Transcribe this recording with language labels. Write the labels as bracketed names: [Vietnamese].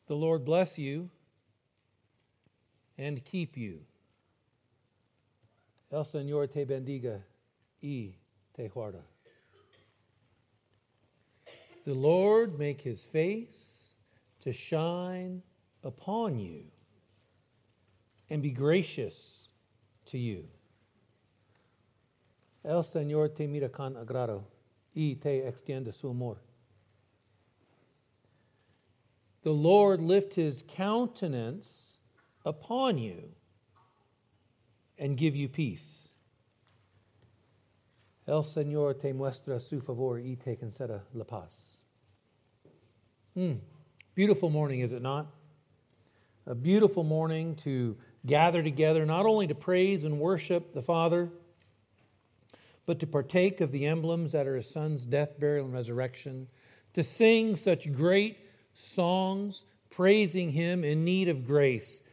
[English] The Lord bless you and keep you. [Spanish] El Señor te bendiga y te guarda. [English] The Lord make his face to shine upon you and be gracious to you. [Spanish] El Señor te mira con agrado y te extiende su amor. [English] The Lord lift his countenance upon you and give you peace. [Spanish] El Señor te muestra su favor y te concede la paz. [English] Beautiful morning, is it not? A beautiful morning to gather together, not only to praise and worship the Father, but to partake of the emblems that are his Son's death, burial, and resurrection, to sing such great songs praising him in need of grace.